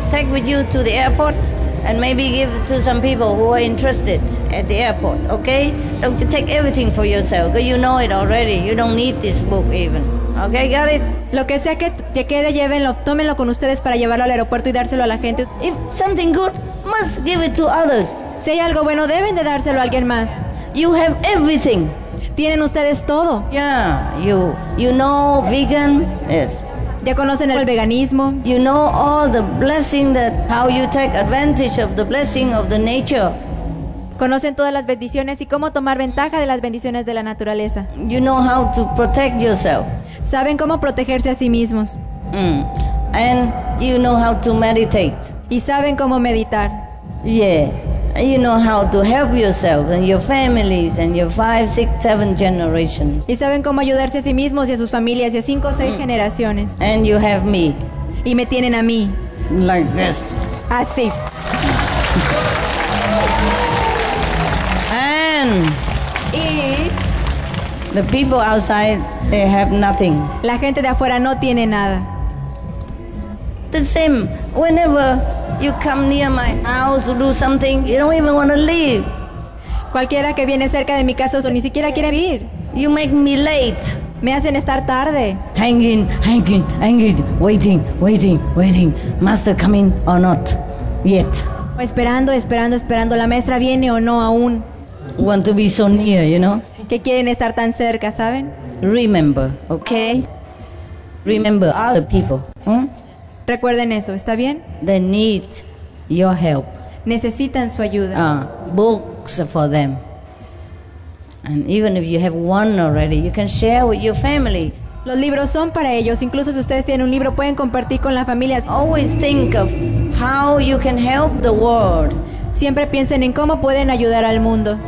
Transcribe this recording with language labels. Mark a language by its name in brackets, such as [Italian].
[English] with you to the airport and maybe give to some people who are interested at the airport, okay? Don't you take everything for yourself, because you know it already. You don't need this book even. Okay, got it? [Spanish] Lo que sea que te quede, llévenlo, tómenlo con ustedes para llevarlo al aeropuerto y dárselo a la gente. [English] If something good, must give it to others. [Spanish] Si hay algo bueno, deben de dárselo a alguien más. [English] You have everything. [Spanish] Tienen ustedes todo. [English] Yeah, you know vegan, yes. [Spanish] Ya conocen el veganismo. [English] You know all the blessing that how you take advantage of the blessing of the nature. [Spanish] Conocen todas las bendiciones y cómo tomar ventaja de las bendiciones de la naturaleza. [English] You know how to protect yourself. [Spanish] Saben cómo protegerse a sí mismos. [English] And you know how to meditate. [Spanish] Y saben cómo meditar. Yeah. [English] You know how to help yourself and your families and your 5, 6, 7 generations. [Spanish] Y saben cómo ayudarse a sí mismos y a sus familias y a 5 o 6 generaciones. [English] And you have me. [Spanish] Y me tienen a mí. [English] Like this. [Spanish] Así. [English] And [Spanish] y [English] the people outside, they have nothing. [Spanish] La gente de afuera no tiene nada. [English] The same. Whenever you come near my house to do something, you don't even want to leave. [Spanish] Cualquiera que viene cerca de mi casa ni siquiera quiere ir. [English] You make me late. [Spanish] Me hacen estar tarde. [English] Hanging, waiting. Master coming or not? Yet. [Spanish] Esperando. La maestra viene o no aún. [English] Want to be so near, you know? [Spanish] Que quieren estar tan cerca, ¿saben? [English] Remember, okay? Remember other people. [Spanish] Recuerden eso, ¿está bien? [English] They need your help. [Spanish] Necesitan su ayuda. [English] Books for them. And even if you have one already, you can share with your family. [Spanish] Los libros son para ellos. Incluso si ustedes tienen un libro, pueden compartir con la familia. [English] Always think of how you can help the world. [Spanish] Siempre piensen en cómo pueden ayudar al mundo.